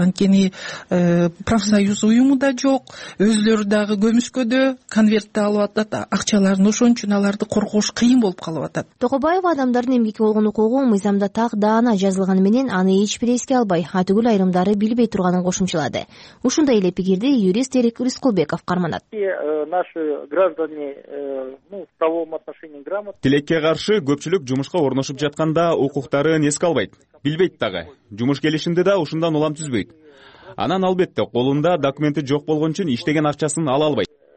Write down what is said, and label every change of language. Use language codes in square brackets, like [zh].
[ky] Анткени профсоюз уюму да жок, өзлөрү дагы көмүскөдө конвертти алып атат акчаларын, ошон үчүн аларды коргош кыйын болуп калып атат. Токобаева адамдардын эмгекке болгон укугу мыйзамда так даана жазылганы менен аны эч бири эске албай, атүгүл айрымдары билбей турганын кошумчалады. Ушундай эле пикирди юрист Эрик Рыскулбеков карманат. [ru] Наши граждане в правовом отношении грамотны. [ky] Тилекке каршы көпчүлүк жумушка орношуп жатканда укуктарын эске албайт, билбейт дагы. Жумуш келишимди да ушундан улам түзбөйт. анан албетте колунда документи жок болгон үчүн иштеген акчасын ала албайт.